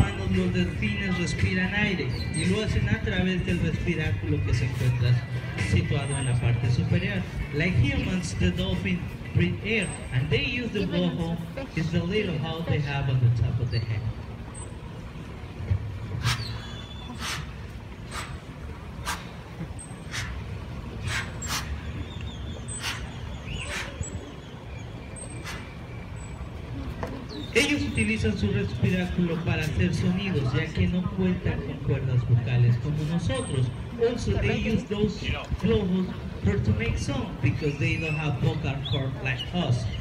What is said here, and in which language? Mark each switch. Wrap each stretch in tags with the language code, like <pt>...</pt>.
<es>Los delfines respiran aire y lo hacen a través del respiráculo que se encuentra situado en la parte superior.</es> <en>Like humans, the dolphins breathe air and they use the blowhole. It's the little hole they have on the top of the head.</en> <es>Utilizan su respiráculo para hacer sonidos, ya que no cuentan con cuerdas vocales como nosotros.</es> <en>Also, they use those blowholes for to make sound because they don't have vocal cord like us.</en>